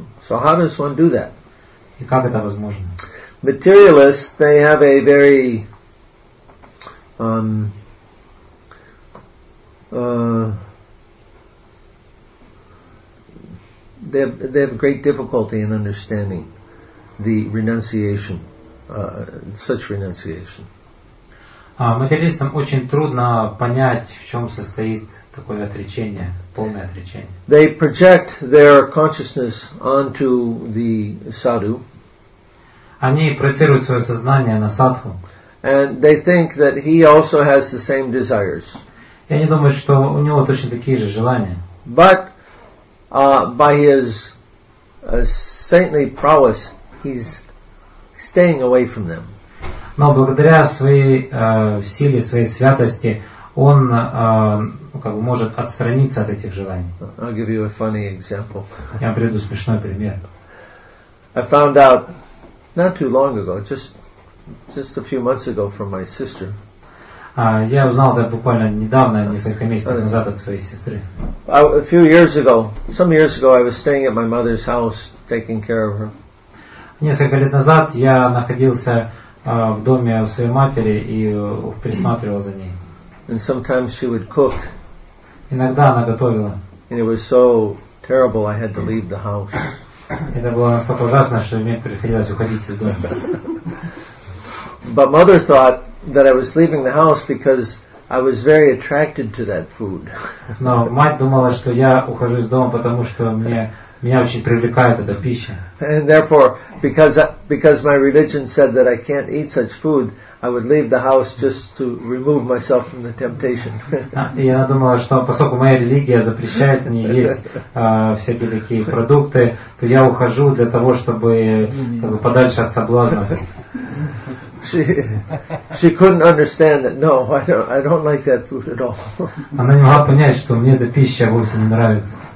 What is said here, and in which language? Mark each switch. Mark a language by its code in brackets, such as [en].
[en] So how does one do that? [ru] И как это возможно? [en] Materialists, they have a very they have great difficulty in understanding the renunciation, such renunciation. [ru] Материалистам очень трудно понять, в чем состоит такое отречение, полное отречение. [en] They project their consciousness onto the sadhu. [ru] Они проецируют свое сознание на садху. [en] And they think that he also has the same desires. [ru] И они думают, что у него точно такие же желания. [en] But by his saintly prowess, he's staying away from them. [ru] Но благодаря своей силе, своей святости, он может отстраниться от этих желаний. [en] I'll give you a funny example. [ru] Я приведу смешной пример. [en] I found out not too long ago, just a few months ago from my sister. [ru] Я узнал это буквально недавно, несколько месяцев назад от своей сестры. [en] A few years ago, some years ago, I was staying at my mother's house, taking care of her. [ru] Несколько лет назад я находился в доме у своей матери и присматривал за ней. [en] And sometimes she would cook. [ru] Иногда она готовила. [en] And it was so terrible, I had to leave the house. [ru] Это было настолько ужасно, что мне приходилось уходить из дома. [en] But mother thought that I was leaving the house because I was very attracted to that food. [ru] Но мать думала, что я ухожу из дома, потому что меня очень привлекает эта пища. [en] And therefore, because my religion said that I can't eat such food, I would leave the house just to remove myself from the temptation. [ru] И она думала, что поскольку моя религия запрещает мне есть всякие такие продукты, то я ухожу для того, чтобы подальше от соблазна. [en] She couldn't understand that. No, I don't like that food at all. [ru] Она не могла понять, что мне эта пища вовсе не нравится.